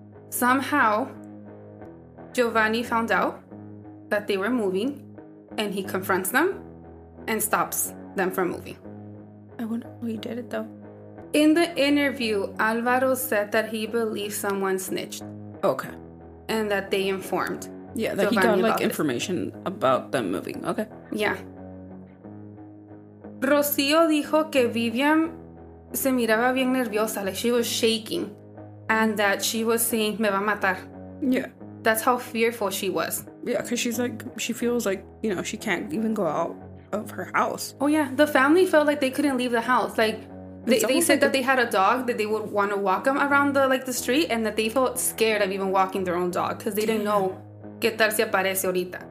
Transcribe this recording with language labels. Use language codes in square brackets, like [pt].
[en] Somehow, Giovanni found out that they were moving and he confronts them and stops them from moving. I wonder how he did it, though. In the interview, Álvaro said that he believed someone snitched. Okay. And that they informed. Yeah, that he got, like, information about them moving. Okay. Yeah. [es] Rocío dijo que Viviam se miraba bien nerviosa. [en] Like, she was shaking. And that she was saying, [es] me va a matar. [en] Yeah. That's how fearful she was. Yeah, because she feels like, you know, she can't even go out. of her house. Oh, yeah. The family felt like they couldn't leave the house. Like, they said like that they had a dog that they would want to walk them around the, like, the street, and that they felt scared of even walking their own dog because they didn't know [es] que tal si aparece ahorita.